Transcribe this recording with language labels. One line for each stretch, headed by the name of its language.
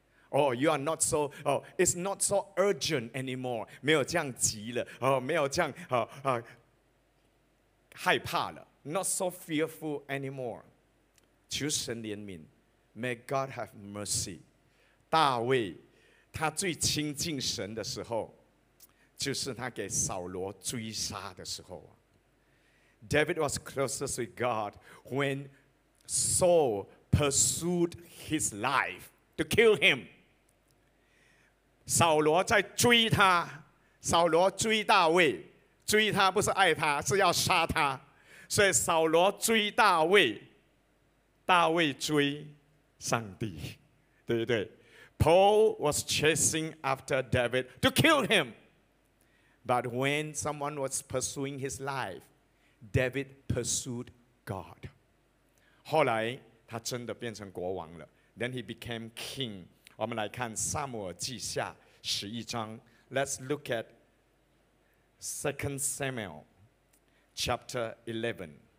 English: Oh, you are not so, oh, it's not so urgent anymore.
Chinese: 没有这样急了，哦，没有这样害怕了。
English: Not so fearful anymore.
Chinese: 求神怜悯,
English: may God have mercy.
Chinese: 大卫，他最亲近神的时候, 就是他给扫罗追杀的时候,
English: David was closest with God when Saul pursued his life to kill him.
Chinese: 扫罗在追他，扫罗追大卫，追他不是爱他，是要杀他。所以扫罗追大卫，大卫追上帝，对不对？
English: Paul was chasing after David to kill him. But when someone was pursuing his life, David pursued God.
Chinese: 后来他真的变成国王了。
English: Then he became king.
Chinese: 我们来看撒母耳记下十一章。
English: Let's look at 2 Samuel chapter 11.